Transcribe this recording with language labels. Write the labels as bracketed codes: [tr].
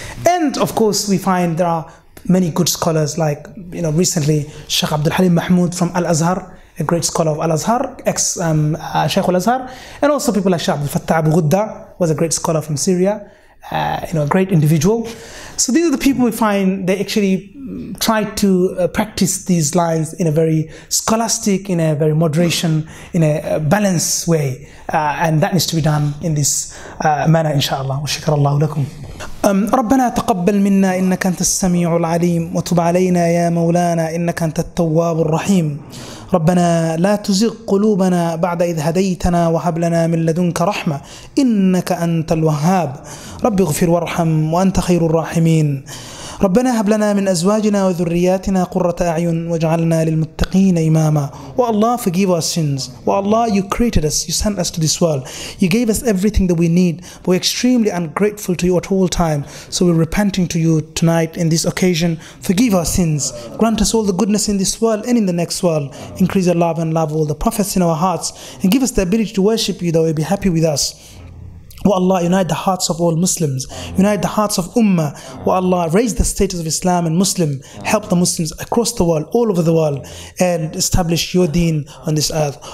[en] And of course, we find there are many good scholars, like, you know, recently, Sheikh Abdul Halim Mahmoud from Al-Azhar, a great scholar of Al-Azhar, ex-Sheikh Al-Azhar, and also people like Sheikh Abdul Fattah Abu Ghudda, was a great scholar from Syria, you know, a great individual. So these are the people we find, they actually try to practice these lines in a very scholastic, in a very moderation, in a balanced way. And that needs to be done in this manner, inshallah. [ar] Wa shukra Allahu lakum. ربنا تقبل منا إنك أنت السميع العليم وتب علينا يا مولانا إنك أنت التواب الرحيم ربنا لا تزغ قلوبنا بعد إذ هديتنا وهب لنا من لدنك رحمة إنك أنت الوهاب رب اغفر وارحم وأنت خير الراحمين ربنا هب لنا من أزواجنا وذرياتنا قرة أعين واجعلنا للمتقين إماما والله [en] forgive our sins والله you created us, you sent us to this world, you gave us everything that we need, but we're extremely ungrateful to you at all time, so we're repenting to you tonight in this occasion. Forgive our sins, grant us all the goodness in this world and in the next world, increase our love and love all the prophets in our hearts, and give us the ability to worship you that will be happy with us. Wa Allah, unite the hearts of all Muslims. Unite the hearts of Ummah. Wa Allah, raise the status of Islam and Muslim. Help the Muslims across the world, all over the world, and establish your deen on this earth.